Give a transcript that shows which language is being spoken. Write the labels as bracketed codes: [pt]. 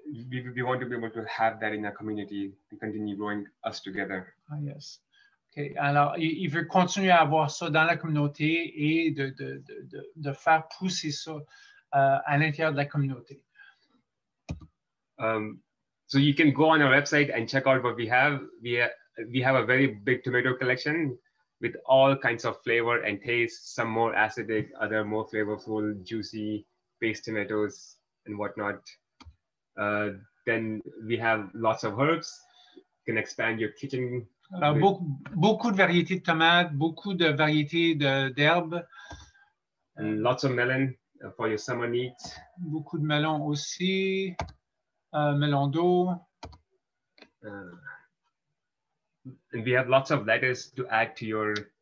[en] We want to be able to have that in our community to continue growing us together. Ah, yes. Okay. [fr] Alors, il veut continuer à avoir ça dans la communauté et de faire pousser ça à l'intérieur de la communauté. [en] So you can go on our website and check out what we have. We have a very big tomato collection with all kinds of flavor and taste, some more acidic, other more flavorful, juicy paste tomatoes and whatnot. Then we have lots of herbs. You can expand your kitchen. [fr] Beaucoup de variétés de tomates, beaucoup de variétés d'herbes. [en] And lots of melon for your summer needs. [fr] Beaucoup de melon aussi. Melon d'eau. [en] And we have lots of lettuce to add to your.